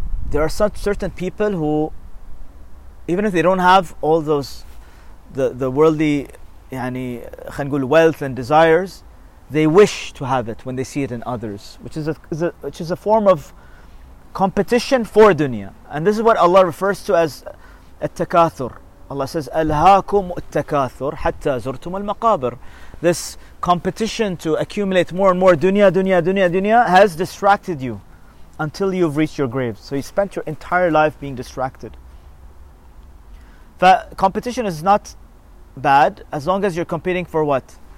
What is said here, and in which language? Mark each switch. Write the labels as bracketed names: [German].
[English] There are such certain people who, even if they don't have all those, the worldly, yani, khangul wealth and desires, they wish to have it when they see it in others, which is a form of competition for dunya. And this is what Allah refers to as التكاثر. [Arabic] Allah says ألهاكم التكاثر حتى زرتم المقابر. [English] This competition to accumulate more and more dunya, dunya, dunya, dunya has distracted you until you've reached your graves. So you spent your entire life being distracted. Competition is not bad as long as you're competing for what?